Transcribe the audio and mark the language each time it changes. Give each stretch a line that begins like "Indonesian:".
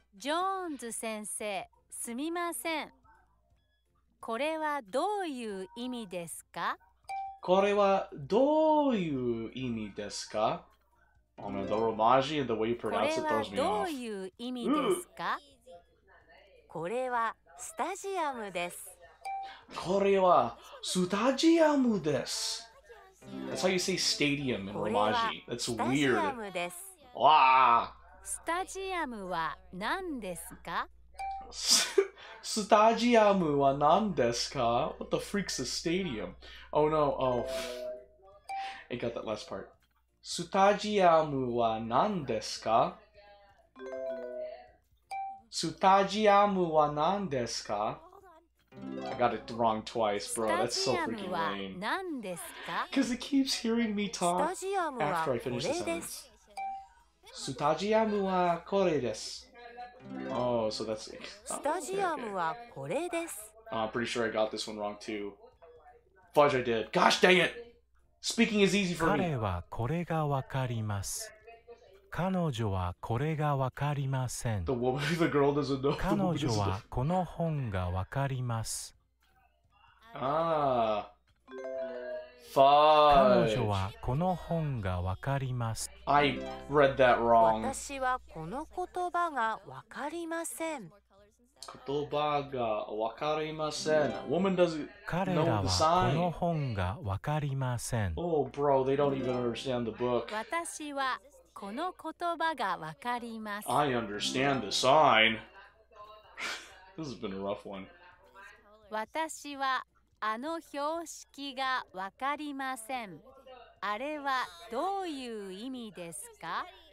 Japanese: ジョーンズ先生、すみません。これはどういう意味ですか?
English: Oh man, the romaji and the way you pronounce it throws me off.
Japanese: これはどういう意味ですか?これはスタジアムです。これはスタジアムです。
English: That's how you say stadium in Romaji. That's weird. Wow!
Japanese: Stadium wa nan desu ka? スタジアムは何ですか?
English: What the freak's a stadium? Oh no, oh. I got that last part.
Japanese: スタジアムは何ですか? スタジアムは何ですか?
English: I got it wrong twice, bro. That's so freaking lame.
Japanese: スタジアムは何ですか?
English: Because it keeps hearing me talk after I finish the sentence.
Japanese: スタジアムはこれです。
English: Oh, so that's it.
Japanese: Stadium はこれです。
English: I'm pretty sure I got this one wrong too. Fudge, I did. Gosh dang it! Speaking is easy for me.
Japanese: 彼はこれがわかります。彼女はこれがわかりません。
English: The woman, the girl doesn't know.
Japanese: 彼女はこの本がわかります。
English: Ah. Fudge.
Japanese: 彼女はこの本がわかります。
English: I read that wrong.
Japanese: 私はこの言葉がわかりません。言葉がわかりません。
English: Woman doesn't know the sign.
Japanese: 彼らはこの本がわかりません。
English: Oh, bro, they don't even understand the book.
Japanese: 私はこの言葉がわかります。
English: I understand the sign. This has been a rough one.
Japanese: 私はあの標識がわかりません。あれはどういう意味ですか?